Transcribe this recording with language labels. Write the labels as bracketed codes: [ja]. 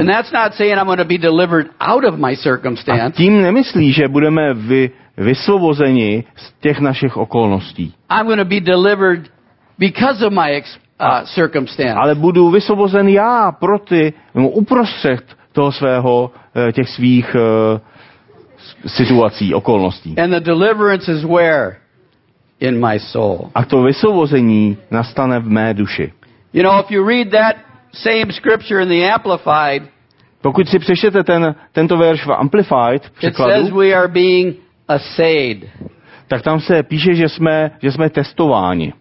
[en] And that's not saying I'm going to be delivered out of my circumstance. [cs] A tím nemyslí, že budeme vysvobozeni z těch našich okolností. [en] I'm going to be delivered because of my circumstance. [cs] Ale budu vysvobozen já uprostřed toho svého těch svých situací, okolností. [en] And the deliverance is where? In my soul. [cs] A to vysvobození nastane v mé duši. [en] You know, if you read that same scripture in the Amplified. [cs] Pokud si přečtete tento verš v Amplified překladu. [en] It says we are being assayed. [cs] Tak tam se píše, že jsme testováni.